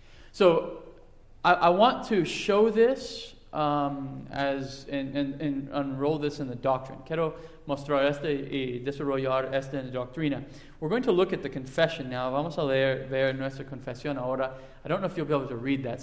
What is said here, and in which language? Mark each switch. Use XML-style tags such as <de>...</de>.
<en>So I want to show this as and unroll this in the doctrine.</en> <es>Quiero mostrar este y desarrollar este en la doctrina.</es> <en>We're going to look at the confession now.</en> <es>Vamos a leer ver nuestra confesión ahora.</es> <en>I don't know if you'll be able to read that.</en>